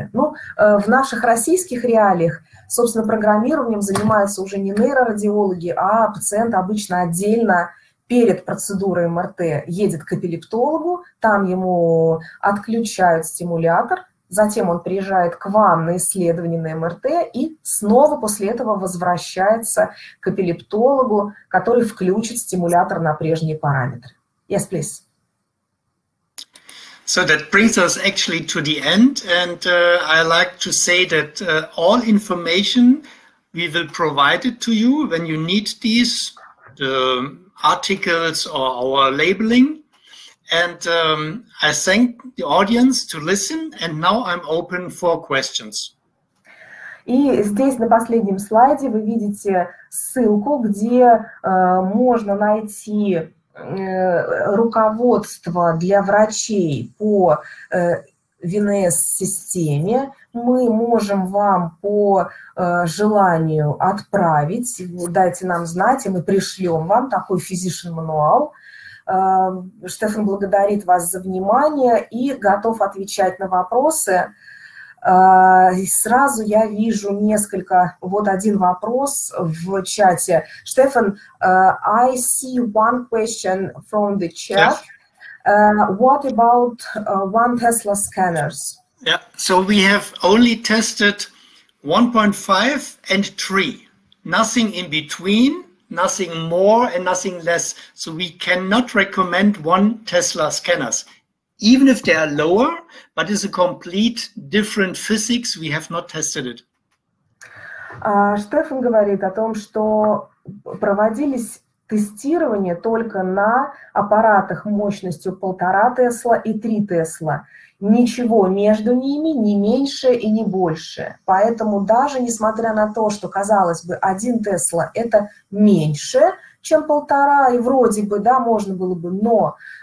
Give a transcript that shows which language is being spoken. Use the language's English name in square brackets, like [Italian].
[Russian] Ну, в наших российских реалиях, собственно, программированием занимаются уже не нейрорадиологи, а пациент обычно отдельно перед процедурой МРТ едет к эпилептологу, там ему отключают стимулятор, затем он приезжает к вам на исследование на МРТ и снова после этого возвращается к эпилептологу, который включит стимулятор на прежние параметры. [English] Yes, please. So that brings us actually to the end, and I like to say that all information we will provide it to you when you need these the articles or our labeling. And I thank the audience to listen, and now I'm open for questions. [Russian] И здесь на последнем слайде вы видите ссылку, где можно найти руководство для врачей по ВНС-системе. Мы можем вам по желанию отправить, дайте нам знать, и мы пришлем вам такой [English] physician manual. [Russian] Штефан благодарит вас за внимание и готов отвечать на вопросы. Сразу я вижу несколько, вот один вопрос в чате. [English] Штефан, I see one question from the chat. Yes. What about one Tesla scanners? Yeah, so we have only tested 1.5 and 3. Nothing in between, nothing more and nothing less. So we cannot recommend one Tesla scanners. Even if they are lower, but it's a complete different physics, we have not tested it. [Russian] Штефан говорит о том, что проводились тестирования только на аппаратах мощностью 1.5 Tesla и 3 Tesla. Ничего между ними, ни меньше и ни больше. Поэтому даже несмотря на то, что, казалось бы, 1 Tesla – это меньше, чем 1.5, и вроде бы, да, можно было бы, но...